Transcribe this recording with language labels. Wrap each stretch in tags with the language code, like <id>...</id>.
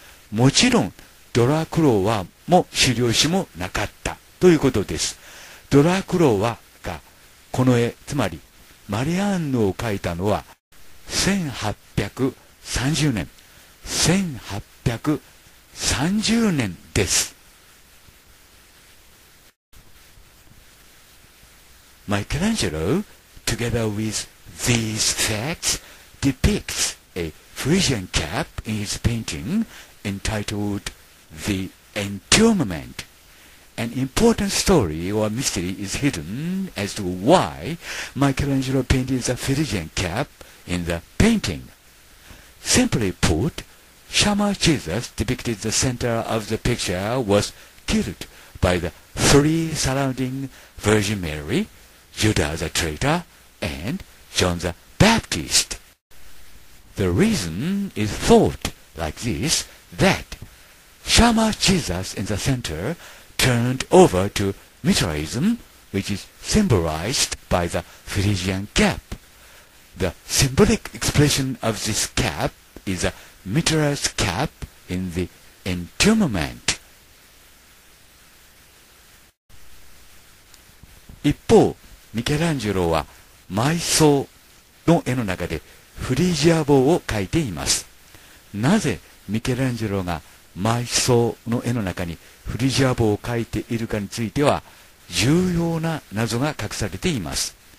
<ja>もちろんドラクロワも資料紙もなかったということです。ドラクロワがこの絵、つまりマリアンヌを描いたのは1830年です。</ja> <en>Michelangelo, together with these facts, depicts a Phrygian cap in his painting entitled The Entombment. An important story or mystery is hidden as to why Michelangelo painted the Phrygian cap in the painting. Simply put,Shama Jesus, depicted the center of the picture, was killed by the three surrounding Virgin Mary, Judah the traitor, and John the Baptist. The reason is thought like this, that Shama Jesus in the center turned over to Mithraism, which is symbolized by the Phrygian cap. The symbolic expression of this cap is aMithra's cap in the entombment.</en> <ja>一方、ミケランジェロは埋葬の絵の中でフリージア帽を描いています。なぜミケランジェロが埋葬の絵の中にフリジア帽を描いているかについては重要な謎が隠されています。</ja>